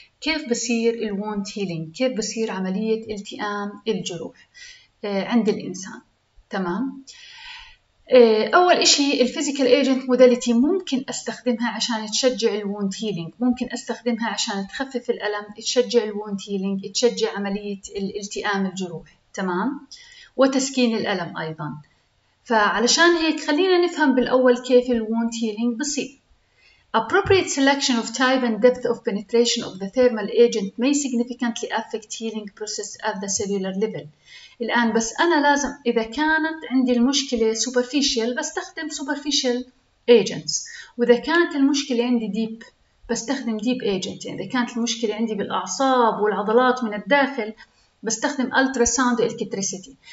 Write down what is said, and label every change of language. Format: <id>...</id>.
<ar>كيف بصير الوونت هيلينج؟ كيف بصير عملية التئام الجروح عند الإنسان؟ تمام؟ أول إشي الفيزيكال ايجنت موداليتي ممكن أستخدمها عشان تشجع الوونت هيلينج، ممكن أستخدمها عشان تخفف الألم، تشجع الوونت هيلينج، تشجع عملية الالتئام الجروح، تمام؟ وتسكين الألم أيضاً. فعلشان هيك خلينا نفهم بالأول كيف الوونت هيلينج بصير.</ar> <en>Appropriate selection of type and depth of penetration of the thermal agent may significantly affect healing process at the cellular level.</en> <ar>الآن بس أنا لازم إذا كانت عندي المشكلة superficial بستخدم superficial agents، وإذا كانت المشكلة عندي deep بستخدم deep agents. يعني إذا كانت المشكلة عندي بالأعصاب والعضلات من الداخل بستخدم ultrasound و electricity.</ar>